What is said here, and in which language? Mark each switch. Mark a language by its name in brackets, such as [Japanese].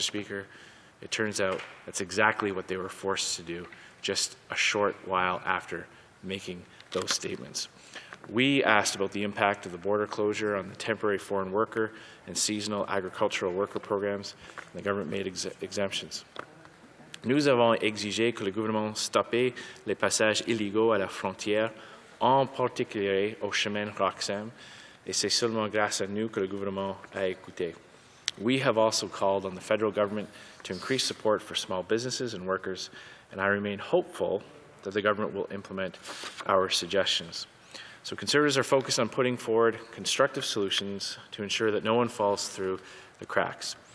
[English] Speaker, it turns out that's exactly what they were forced to do just a short while after making those statements. We asked about the impact of the border closure on the temporary foreign worker and seasonal agricultural worker programs, and the government made exemptions. [French] Nous avons exigé que le gouvernement stoppe les passages illégaux à la frontière, en particulier au chemin Roxham, et c'est seulement grâce à nous que le gouvernement a écouté. [English] We have also called on the federal government to increase support for small businesses and workers, and I remain hopeful that the government will implement our suggestions. So Conservatives are focused on putting forward constructive solutions to ensure that no one falls through the cracks.